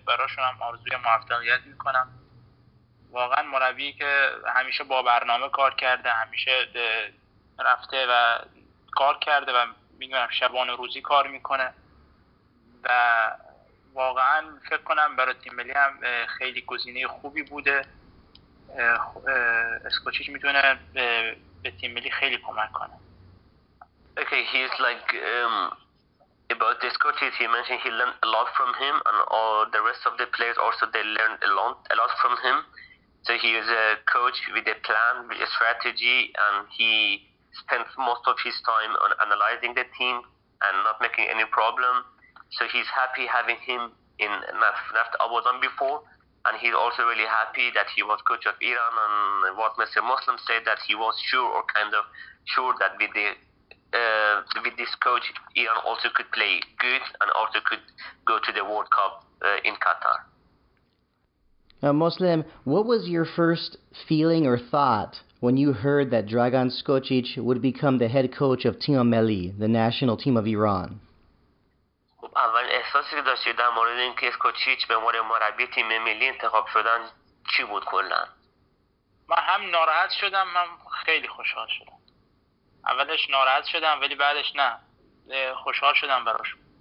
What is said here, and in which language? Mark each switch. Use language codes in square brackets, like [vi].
[fa] براشون هم آرزوی موفقیت میکنم. واقعا مربی که همیشه با برنامه کار کرده، همیشه رفته و کار کرده و میدونم شبان و روزی کار میکنه و واقعا فکر کنم برای تیم ملی هم خیلی گزینه خوبی بوده. اسکوچیچ میتونه به تیم ملی خیلی کمک کنه. [en] Okay, he's like about the Scottish. He mentioned he learned a lot from him, and all the rest of the players also they learned a lot from him. So he is a coach with a plan, with a strategy, and he spends most of his time on analyzing the team and not making any problem. So he's happy having him in Naft Abadan before, and he's also really happy that he was coach of Iran. And what Mr. Moslem said, that he was sure or kind of sure that with the with this coach, Iran also could play good and also could go to the World Cup in Qatar. Now, Moslem, what was your first feeling or thought when you heard that Dragan Skocic would become the head coach of Team Melli, the national team of Iran? [fa] اول احساسی که داشتید در مورد این که اسکوچیچ به عنوان مربی تیم ملی انتخاب شدن چی بود کلا؟ من هم ناراحت شدم، هم خیلی خوشحال شدم. اولش ناراحت شدم ولی بعدش نه، خوشحال شدم براش.